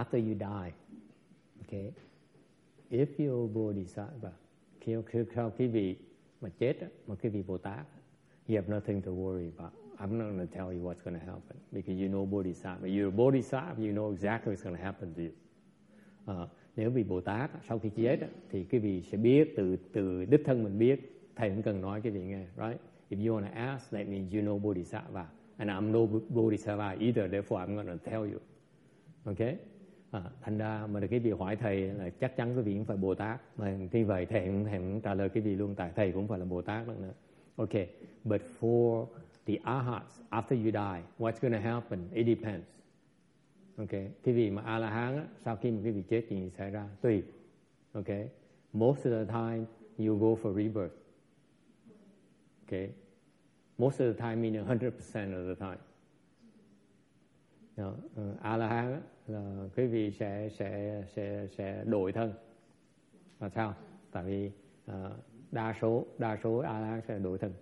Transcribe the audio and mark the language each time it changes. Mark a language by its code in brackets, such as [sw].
[en] After you die, okay, if your bodhisattva, [vi] khi quý vị mà chết, mà quý vị Bồ Tát, [en] you have nothing to worry about. I'm not going to tell you what's going to happen, because you know bodhisattva. You're a bodhisattva, you know exactly what's going to happen to you. [vi] Nếu vị Bồ Tát sau khi chết, thì quý vị sẽ biết, từ đích thân mình biết, thầy không cần nói cái gì nghe, right? [en] If you want to ask, that means you know bodhisattva. And I'm no bodhisattva either, therefore I'm not going to tell you. Okay? [vi] Thành ra mà được cái vị hỏi thầy là chắc chắn cái vị cũng phải Bồ Tát. Mà tuy vậy thầy cũng trả lời cái vị luôn, tại thầy cũng phải là Bồ Tát nữa. [en] Okay, but for the arhats, after you die, what's going to happen? It depends. [vi] Okay, thì vị mà A-la-hán á, sau khi mà cái vị chết thì xảy ra, tùy. [en] Okay, most of the time, you go for rebirth. Okay, most of the time meaning 100% of the time. [vi] A-la-hán á, là quý vị sẽ đổi thân. Là sao? Tại vì đa số A-la-hán sẽ đổi thân.